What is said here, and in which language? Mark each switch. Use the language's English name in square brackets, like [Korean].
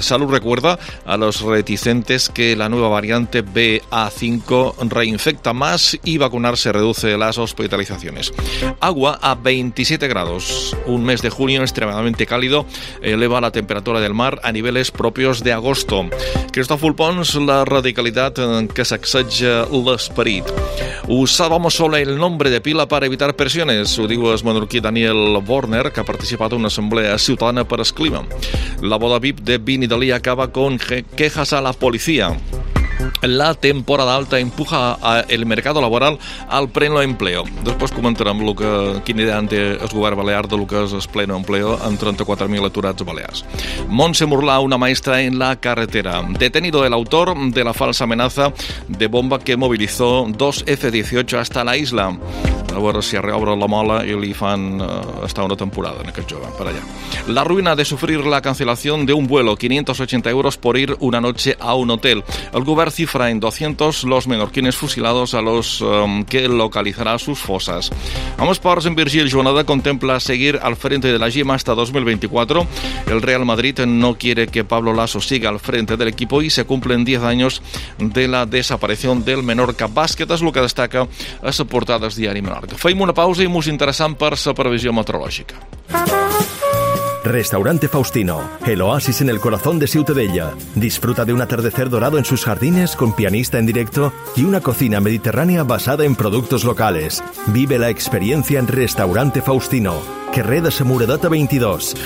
[Spanish] Salud recuerda a los reticentes que la nueva variante BA5 reinfecta más y vacunarse reduce las hospitalizaciones. Agua a 27 grados, un mes de junio extremadamente cálido eleva la temperatura del mar a niveles propios de agosto. [Catalan] Cristòfol Pons, la radicalitat en què s'exceja l'esperit. [Spanish] Usàvamos solo el nombre de pila para evitar presiones, [Catalan] ho diu el menorquí Daniel Warner, que ha participat en una assemblea ciutadana per el clima. [Spanish] La boda VIP de Vini Dalí acaba con quejas a la policia. La temporada alta empuja el mercado laboral al pleno empleo. [Catalan] Després comentarem quina idea té el govern balear del que és el pleno empleo amb 34.000 aturats balears. [Spanish] Montse Murlà, una maestra en la carretera. Detenido el autor de la falsa amenaza de bomba que movilizó dos F-18 hasta la isla. [Catalan] A veure si reobre la mola i li fan estar una temporada en aquest jove, per allà. La ruïna de sofrir [Spanish] la cancel·lación de un vuelo, 580 euros por ir una noche a un hotel. El govern cifra en 200 los menorquines fusilados a los que localizará sus fosas. [Catalan] Amb esports, en [Spanish] Virgil Joanada contempla seguir al frente de la Gima hasta 2024. El Real Madrid no quiere que Pablo Laso siga al frente del equipo y se cumplen 10 años de la desaparición del Menorca Bàsquet, [Catalan] és el que destaca a les portades diari Menorca. Fem una pausa i mos interessam per la previsió meteorològica. [Spanish] Restaurante Faustino, el oasis en el corazón de Ciutadella. Disfruta de un atardecer dorado en sus jardines con pianista en directo y una cocina mediterránea basada en productos locales. Vive la experiencia en Restaurante Faustino. Carrer de la Muradeta 22.